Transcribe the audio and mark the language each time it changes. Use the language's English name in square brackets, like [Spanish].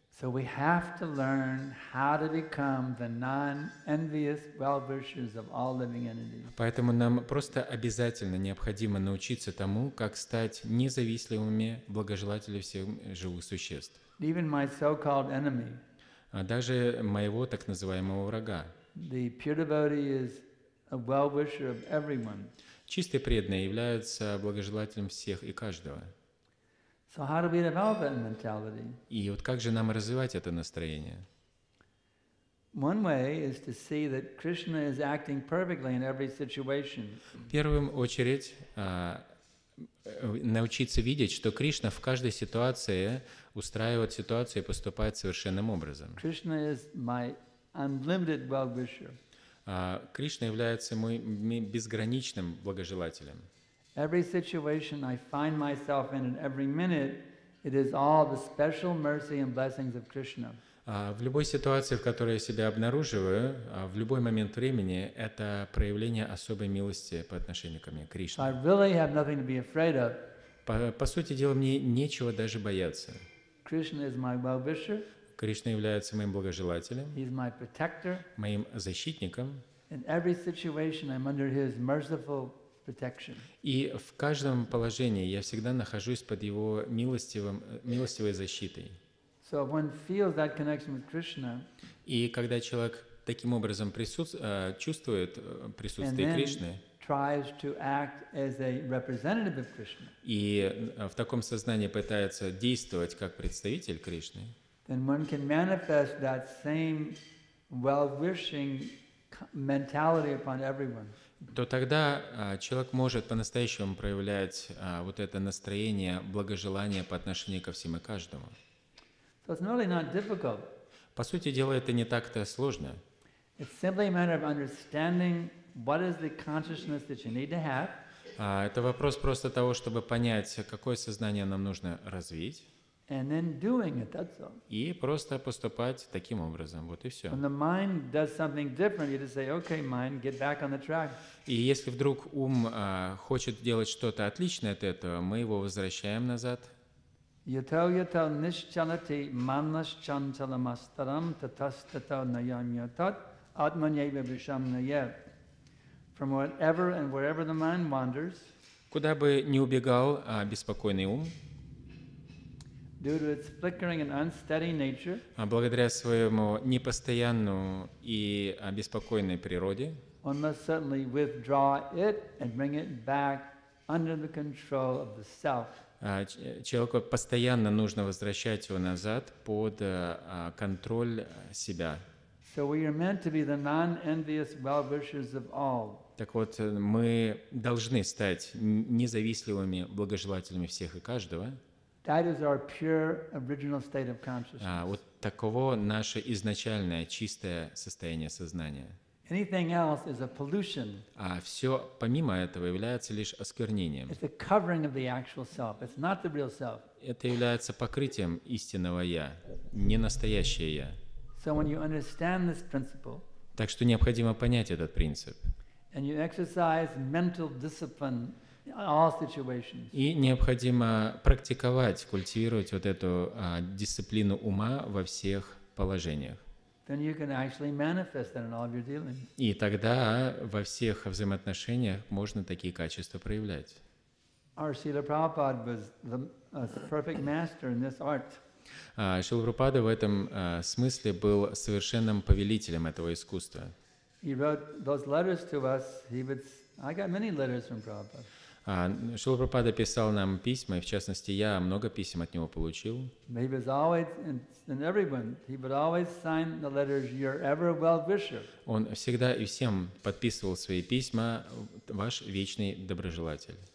[English] So we have to learn how to become the non-envious well-wishers of all living entities. [Russian] Поэтому нам просто обязательно необходимо научиться тому, как стать независимыми благожелателями всех живых существ. [English] Even my so-called enemy. [Russian] Даже моего так называемого врага. [English] The pure devotee is a well-wisher of everyone. [Russian] Чистый преданный является благожелателем всех и каждого. [English] So how do we develop that mentality? [Russian] И вот как же нам развивать это настроение? [English] One way is to see that Krishna is acting perfectly in every situation. [Russian] В первую очередь научиться видеть, что Кришна в каждой ситуации устраивает ситуацию и поступает совершенным образом. [English] Krishna is my unlimited well-wisher. [Russian] Кришна является моим безграничным благожелателем. [English] Every situation I find myself in, and every minute, it is all the special mercy and blessings of Krishna. [Russian] В любой ситуации, в которой я себя обнаруживаю, в любой момент времени, это проявление особой милости по отношению ко мне, Кришна. [English] I really have nothing to be afraid of. [Russian] По сути дела, мне нечего даже бояться. [English] Krishna is my well-wisher. [Russian] Кришна является моим благожелателем. [English] He is my protector. [Russian] Моим защитником. [English] In every situation, I'm under His merciful. [Russian] И в каждом положении я всегда нахожусь под его милостивой защитой. [English] So one feels that connection with Krishna, [Russian] и когда человек таким образом чувствует присутствие Кришны, [English] tries to act as a representative of Krishna, [Russian] и в таком сознании пытается действовать как представитель Кришны, [English] then one can manifest that same well-wishing mentality upon everyone. [Russian] То тогда человек может по-настоящему проявлять вот это настроение благожелания по отношению ко всем и каждому. [English] So it's really not difficult. [Russian] По сути дела, это не так-то сложно. [English] It's simply a matter of understanding what is the consciousness that you need to have. [Russian] Это вопрос просто того, чтобы понять, какое сознание нам нужно развить. [English] And then doing it, that's all. [Russian] И просто поступать таким образом, вот и все. [English] When the mind does something different, you just say, "Okay, mind, get back on the track." [Russian] И если вдруг ум хочет делать что-то отличное от этого, мы его возвращаем назад. [Sanskrit] Yato yato nischalati manas chanchalamastaram tatastato nayam yatat atmanyeva visham nayev. [English] From whatever and wherever the mind wanders. [Russian] Куда бы ни убегал беспокойный ум. [English] Due to its flickering and unsteady nature, [Russian] благодаря своему непостоянному и беспокойной природе, [English] one must certainly withdraw it and bring it back under the control of the self. [Russian] Человеку постоянно нужно возвращать его назад под контроль себя. [English] So we are meant to be the non-envious well-wishers of all. [Russian] Так вот, мы должны стать независимыми благожелателями всех и каждого. [English] That is our pure original state of consciousness. [Russian] Вот таково наше изначальное чистое состояние сознания. [English] Anything else is a pollution. [Russian] Все помимо этого является лишь осквернением. [English] It's a covering of the actual self. It's not the real self. [Russian] Это является покрытием истинного я, не настоящее я. [English] So when you understand this principle, [Russian] так что необходимо понять этот принцип. [English] And you exercise mental discipline. All situations. [Russian] И необходимо практиковать, культивировать вот эту дисциплину ума во всех положениях. [English] Then you can actually manifest that in all of your dealings. [Russian] И тогда во всех взаимоотношениях можно такие качества проявлять. [English] Srila Prabhupada was the perfect master in this art. [Russian] Шрила Прабхупада в этом смысле был совершенным повелителем этого искусства. [English] He wrote those letters to us. I got many letters from Prabhupada. [Russian] Шрила Прабхупада писал нам письма, и в частности, я много писем от него получил. Он всегда и всем подписывал свои письма «Ваш вечный доброжелатель».